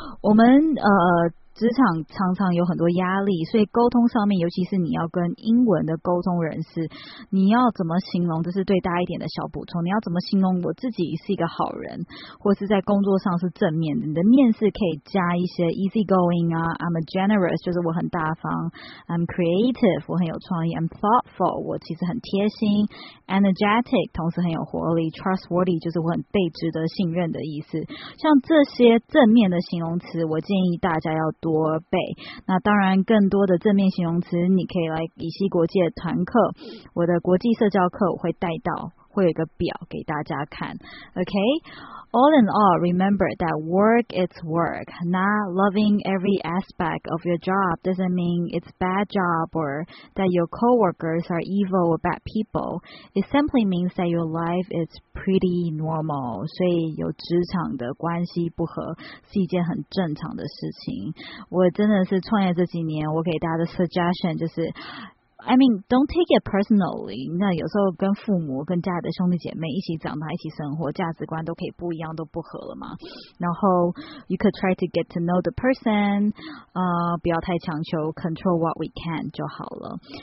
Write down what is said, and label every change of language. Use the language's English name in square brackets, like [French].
[Chinese] 我们职场常常有很多压力，所以沟通上面，尤其是你要跟英文的沟通人士，你要怎么形容，这是对大一点的小补充，你要怎么形容我自己是一个好人，或是在工作上是正面的，你的面试可以加一些 [English] easy going [Chinese] 啊， [English] I'm a generous， [Chinese] 就是我很大方， [English] I'm creative， [Chinese] 我很有创意， [English] I'm thoughtful， [Chinese] 我其实很贴心， energetic， 同时很有活力， trustworthy， 就是我很被值得信任的意思。像这些正面的形容词，我建议大家要多倍。那当然更多的正面形容词你可以来以西国际的团课，我的国际社交课我会带到，会有一个表给大家看。 [English] OK， All in all， remember that work is work. Not loving every aspect of your job doesn't mean it's bad job or that your coworkers are evil or bad people. It simply means that your life is pretty normal. [Chinese] 所以有职场的关系不合是一件很正常的事情。我真的是创业这几年，我给大家的 suggestion 就是 [English] I mean, don't take it personally. [Chinese] 那有时候跟父母、跟家里的兄弟姐妹一起长大、一起生活，价值观都可以不一样，都不合了嘛。然后 [English] you could try to get to know the person, [Chinese] 不要太强求 [English] control what we can [Chinese] 就好了。